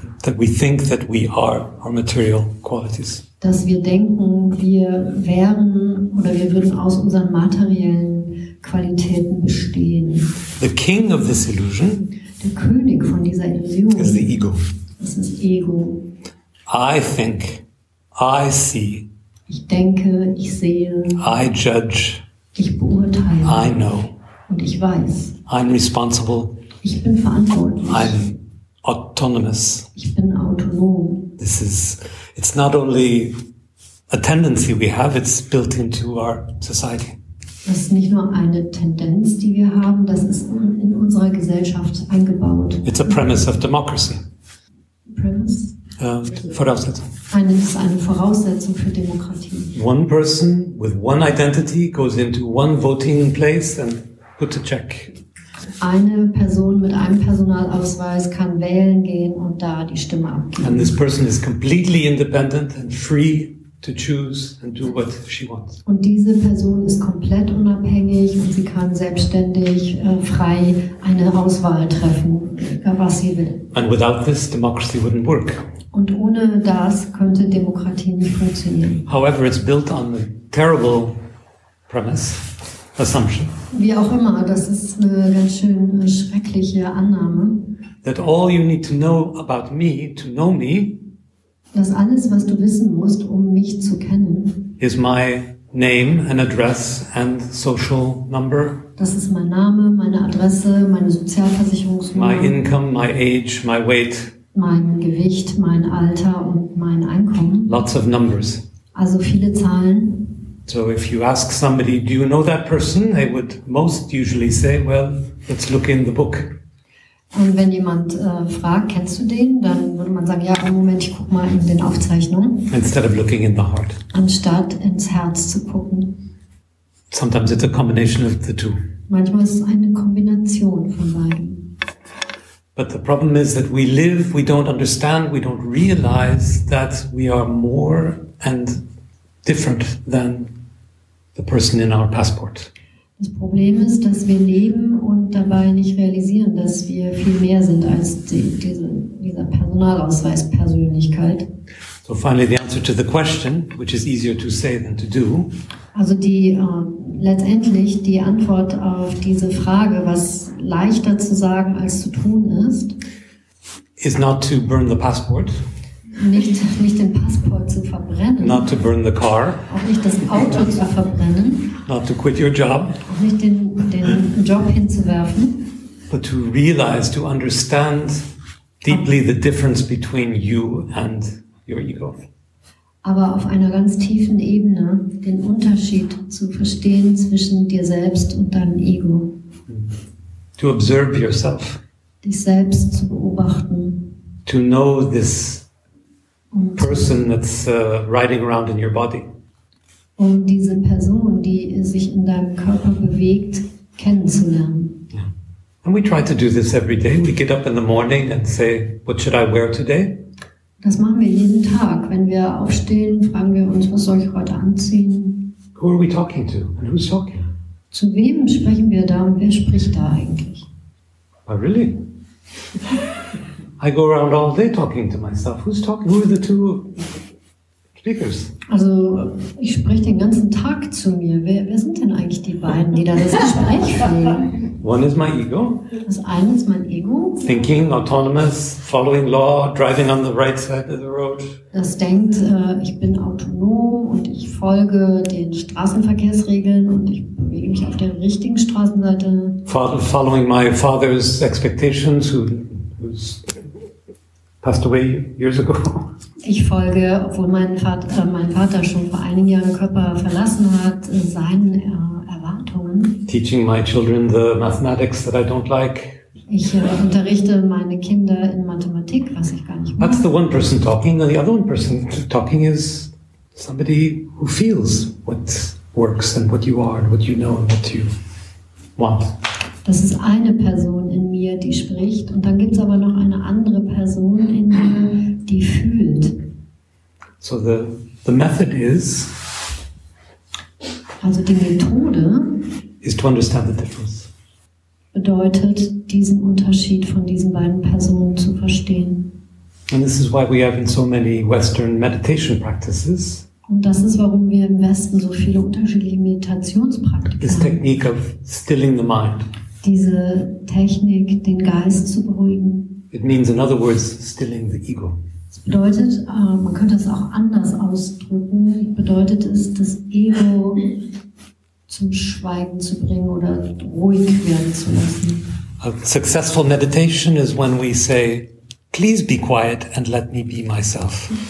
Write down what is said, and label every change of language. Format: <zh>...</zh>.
<en>That we think that we are our material qualities.</en> <de>Dass wir denken, wir wären oder wir würden aus unseren materiellen Qualitäten bestehen.</de> <en>The king of this illusion.</en> <de>Der König von dieser Illusion.</de> <en>Is the ego.</en> <de>Das ist Ego.</de> <en>I think, I see.</en> <de>Ich denke, ich sehe.</de> <en>I judge.</en> <de>Ich beurteile.</de> <en>I know.</en> <de>Und ich weiß.</de> <en>I'm responsible.</en> <de>Ich bin verantwortlich.</de> <en>I'm autonomous.</en> <de>Ich bin autonom.</de> <en>This is, it's not only a tendency we have, it's built into our society.</en> <de>Das ist nicht nur eine Tendenz, die wir haben, das ist in unserer Gesellschaft eingebaut.</de> <en>It's a premise of democracy. Premise?</en> <de>Voraussetzung. Das ist eine Voraussetzung für Demokratie.</de> <en>One person with one identity goes into one voting place and puts a check.</en> <de>Eine Person mit einem Personalausweis kann wählen gehen und da die Stimme abgeben.</de> <en>And this person is completely independent and free to choose and do what she wants.</en> <de>Und diese Person ist komplett unabhängig und sie kann selbstständig frei eine Auswahl treffen, was sie will.</de> <en>And without this, democracy wouldn't work.</en> <de>Und ohne das könnte Demokratie nicht funktionieren.</de> <en>However, it's built on a terrible premise, assumption.</en> <de>Wie auch immer, das ist eine ganz schön schreckliche Annahme.</de> <en>That all you need to know about me, to know me,</en> <de>dass alles, was du wissen musst, um mich zu kennen,</de> <en>is my name and address and social number.</en> <de>Das ist mein Name, meine Adresse, meine Sozialversicherungsnummer.</de> <en>My income, my age, my weight.</en> <de>Mein Gewicht, mein Alter und mein Einkommen.</de> <en>Lots of numbers.</en> <de>Also viele Zahlen.</de> <en>So if you ask somebody, do you know that person? They would most usually say, well, let's look in the book.</en> <de>Und wenn jemand fragt, kennst du den? Dann würde man sagen, ja, Moment, ich guck mal in den Aufzeichnungen.</de> <en>Instead of looking in the heart.</en> <de>Anstatt ins Herz zu gucken.</de> <en>Sometimes it's a combination of the two.</en> <de>Manchmal ist es eine Kombination von beiden.</de> <en>But the problem is that we live, we don't understand, we don't realize that we are more and different than the person in our passport.</en> <de>Das Problem ist, dass wir leben und dabei nicht realisieren, dass wir viel mehr sind als dieser Personalausweis-Persönlichkeit.</de> <en>So finally the answer to the question, which is easier to say than to do.</en> <de>Also die letztendlich die Antwort auf diese Frage, was leichter zu sagen als zu tun ist,</de> <en>is not to burn the passport.</en> <de>Nicht den Passport zu verbrennen.</de> <en>Not to burn the car.</en> <de>Auch nicht das Auto zu verbrennen.</de> <en>Not to quit your job.</en> <de>Auch nicht den Job hinzuwerfen.</de> <en>But to realize, to understand deeply the difference between you and your ego.</en> <de>Aber auf einer ganz tiefen Ebene den Unterschied zu verstehen zwischen dir selbst und deinem Ego.</de> <en>To observe yourself.</en> <de>Dich selbst zu beobachten.</de> <en>to know this person that's riding around in your body.</en> <de>Um diese Person, die sich in deinem Körper bewegt, kennenzulernen.</de> <en>Yeah. And we try to do this every day. We get up in the morning and say, what should I wear today?</en> <de>Das machen wir jeden Tag. Wenn wir aufstehen, fragen wir uns, was soll ich heute anziehen?</de> <en>Who are we talking to? And who's talking?</en> <de>Zu wem sprechen wir da und wer spricht da eigentlich?</de> <en>Oh, really? I go around all day talking to myself. Who's talking? Who are the two speakers?</en> <de>Also, ich spreche den ganzen Tag zu mir. Wer sind denn eigentlich die beiden, die da das Gespräch führen?</de> <en>One is my ego.</en> <de>Das eine ist mein Ego.</de> <en>Thinking, autonomous, following law, driving on the right side of the road.</en> <de>Das denkt, ich bin autonom und ich folge den Straßenverkehrsregeln und ich bewege mich auf der richtigen Straßenseite.</de> <en>Following my father's expectations, who's passed away years ago.</en> <de>Ich folge, obwohl mein Vater schon vor einigen Jahren Körper verlassen hat, seinen Erwartungen.</de> <en>Teaching my children the mathematics that I don't like.</en> <de>Ich unterrichte meine Kinder in Mathematik, was ich gar nicht mag.</de> <en>That's the one person talking, and the other one person talking is somebody who feels what works and what you are and what you know and what you want.</en> <de>Das ist eine Person in mir, die spricht, und dann gibt es aber noch eine andere Person in mir, die fühlt.</de> <en>So the method is.</en> <de>Also die Methode.</de> <en>Is to understand the difference.</en> <de>Bedeutet, diesen Unterschied von diesen beiden Personen zu verstehen.</de> <en>And this is why we have in so many Western meditation practices.</en> <de>Und das ist, warum wir im Westen so viele unterschiedliche Meditationspraktiken haben.</de> <en>This technique of stilling the mind.</en> <de>Diese Technik, den Geist zu beruhigen.</de> <en>It means, in other words, stilling the ego.</en> <de>Das bedeutet, man könnte es auch anders ausdrücken, bedeutet es, das Ego zum Schweigen zu bringen oder ruhig werden zu lassen.</de> <en>A successful meditation is when we say, please be quiet and let me be myself.</en>